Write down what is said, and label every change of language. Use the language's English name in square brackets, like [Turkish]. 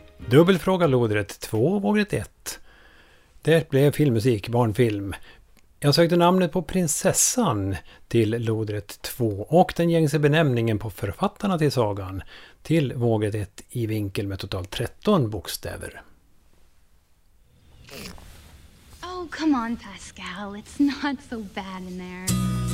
[Swedish] Dubbelfråga lodrätt 2, vågrätt 1. Det blev filmmusik, barnfilm. Jag sökte namnet på prinsessan till lodrätt 2 och den gängse benämningen på författarna till sagan till vågrätt 1 i vinkel med totalt 13 bokstäver. [English] Oh, come on Pascal, it's not so bad in there.